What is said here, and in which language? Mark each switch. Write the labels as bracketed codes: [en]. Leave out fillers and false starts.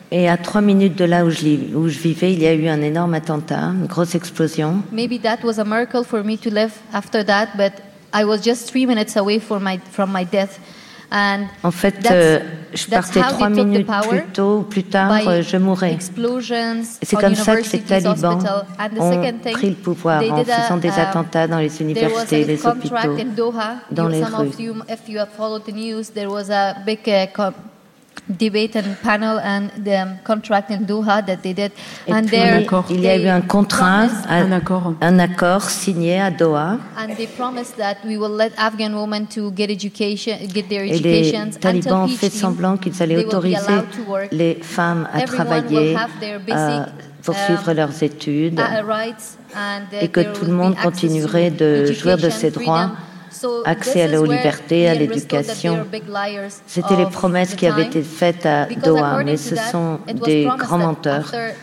[fr] Et à 3 minutes de là où je vivais, il y a eu un énorme attentat, une grosse explosion. [en] Maybe that was a miracle for me to live after that, but I was just 3 minutes away from my death. And [fr] en fait, je partais 3 minutes plus tôt ou plus tard, je mourais. [en] Explosions. [fr] Et c'est comme ça que les talibans ont pris le pouvoir en faisant des attentats dans les universités, les hôpitaux, dans les rues. [en] Some of you, if you have followed the news, there was a big debate and panel and the contract in Doha that they did. And there, [fr] il y a eu un contrat, un accord signé à Doha. [en] And they promised that we will let Afghan women to get education, get their [fr] et [en] educations. [fr] Les talibans ont fait semblant qu'ils allaient autoriser les femmes à travailler, à poursuivre leurs études, et que tout le monde continuerait de jouir de ses droits. Accès à la liberté, à l'éducation. C'était les promesses qui avaient été faites à Doha, mais ce sont des grands menteurs.